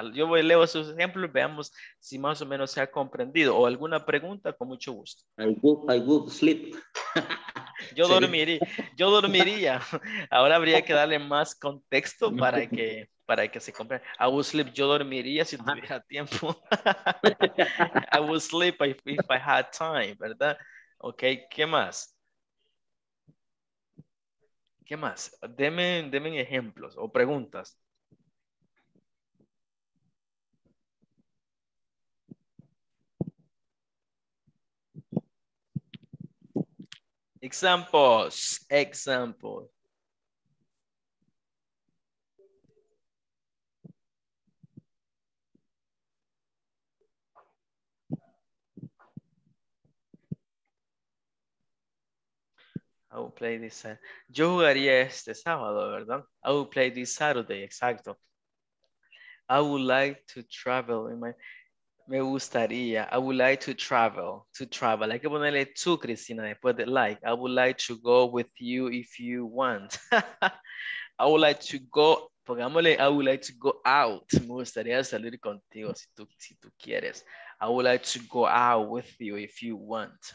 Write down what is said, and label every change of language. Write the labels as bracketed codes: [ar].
[es] Yo voy, leo sus ejemplos, veamos si más o menos se ha comprendido. O alguna pregunta, con mucho gusto. [en] I would sleep. [es] Yo dormiría. Yo dormiría. Ahora habría que darle más contexto para que... Para que se compre. [en] I would sleep. [es] Yo dormiría si tuviera tiempo. [en] I would sleep if I had time, [es] ¿verdad? Ok, ¿qué más? ¿Qué más? Deme ejemplos o preguntas. [en] Examples. I will play this. [es] Yo jugaría este sábado, ¿verdad? [en] I will play this Saturday, [es] exacto. [en] I would like to travel. [es] Me gustaría. [en] I would like to travel. To travel. [es] Hay que ponerle to, Cristina, después de like. [en] I would like to go with you if you want. I would like to go. [es] Pongámosle, [en] I would like to go out. [es] Me gustaría salir contigo si tú quieres. [en] I would like to go out with you if you want.